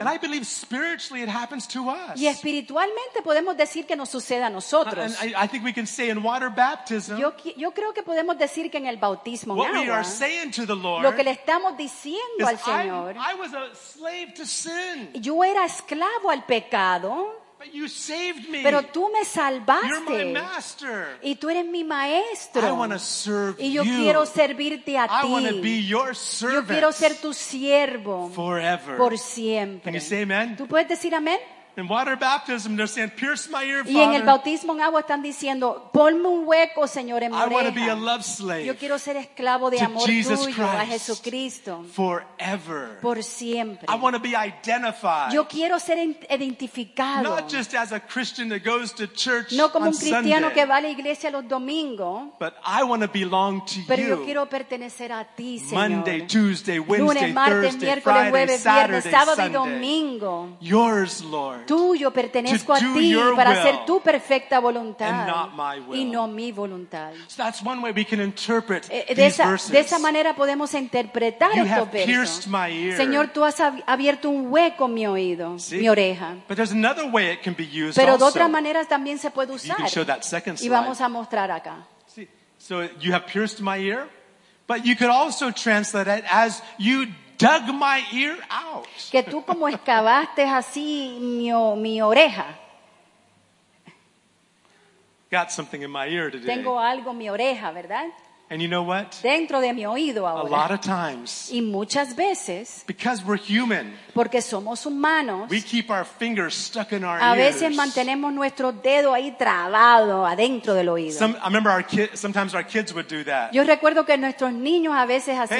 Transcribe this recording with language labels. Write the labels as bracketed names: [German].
[English] And I believe spiritually it happens to us. [Spanish] Y espiritualmente podemos decir que nos sucede a nosotros. [English] I think we can say in water baptism, [Spanish] yo creo que podemos decir que en el bautismo [English] what [Spanish] en agua, [English] we are saying to the Lord, [Spanish] lo que le estamos diciendo al Señor. [English] I was a slave to sin. [Spanish] Yo era esclavo al pecado. [English] But you saved me. [Spanish] Pero tú me salvaste. [English] You're my master. [Spanish] Y tú eres mi maestro. [English] I want to serve [Spanish] y yo [English] you. [Spanish] Quiero servirte a [English] I [Spanish] ti. [English] Want to be your servant. [Spanish] Yo quiero ser tu siervo. [English] Forever. [Spanish] Por siempre. [English] Can you say amen? [Spanish] ¿Tú puedes decir amén? [English] In water baptism, they're saying, "Pierce my ear, Father." [Spanish] Y en el bautismo en agua están diciendo, "Ponme un hueco, Señor, en mi oreja." [English] I want to be a love slave. [Spanish] Yo quiero ser esclavo de amor tuyo, a Jesucristo. [English] Forever. [Spanish] Por siempre. [English] I want to be identified. [Spanish] Yo quiero ser identificado. [English] Not just as a Christian that goes to church on Sunday. [Spanish] No como un cristiano [English] Sunday, [Spanish] que va a la iglesia los domingos. [English] But I want to belong to you. [Spanish] Pero yo quiero pertenecer a ti, Señor. [English] Monday, Tuesday, Wednesday, [Spanish] lunes, martes, [English] Thursday, [Spanish] miércoles, [English] Friday, [Spanish] jueves, [English] Saturday, [Spanish] viernes, [English] Saturday, [Spanish] sábado [English] Sunday. [Spanish] Y domingo. [English] Yours, Lord. [Spanish] Tuyo pertenezco a ti para hacer tu perfecta voluntad y no mi voluntad. [English] So that's one way we can interpret [Spanish] de esa manera podemos interpretar [English] you [Spanish] estos versos. Señor, tú has abierto un hueco en mi oído, [English] see? [Spanish] Mi oreja. [English] But there's another way it can be used [Spanish] pero [English] also. [Spanish] De otras maneras también se puede usar. [English] You can show that second slide. [Spanish] Y vamos a mostrar acá. [English] See? So you have pierced my ear, but you could also translate it as you dug my ear out. [Spanish] Que tú como excavaste así mi oreja. [English] Got something in my ear today. [Spanish] Tengo algo en mi oreja, ¿verdad? [English] And you know what? [Spanish] Dentro de mi oído ahora. [English] A lot of times. [Spanish] Y muchas veces. [English] Because we're human. [Spanish] Porque somos humanos. [English] We keep our fingers stuck in our ears. [Spanish] A veces mantenemos nuestro dedo ahí trabado adentro del oído. [English] Sometimes our kids would do that. [Spanish] Yo recuerdo que nuestros niños a veces hacían